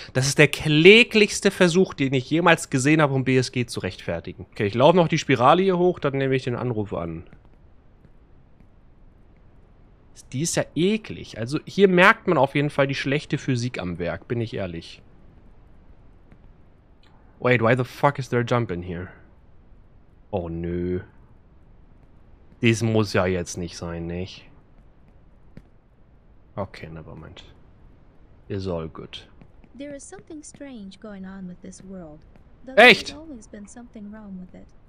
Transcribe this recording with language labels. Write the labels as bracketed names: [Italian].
[German] Das ist der kläglichste Versuch, den ich jemals gesehen habe, um BSG zu rechtfertigen. Okay, ich laufe noch die Spirale hier hoch, dann nehme ich den Anruf an. Die ist ja eklig. Also hier merkt man auf jeden Fall die schlechte Physik am Werk, bin ich ehrlich. [English] Wait, why the fuck is there a jump in here? [German] Oh, nö. Das muss ja jetzt nicht sein, nicht? [English] Okay, nevermind. It's all good. There is something strange going on with this world. [German] Echt? [English] Always been something wrong with it.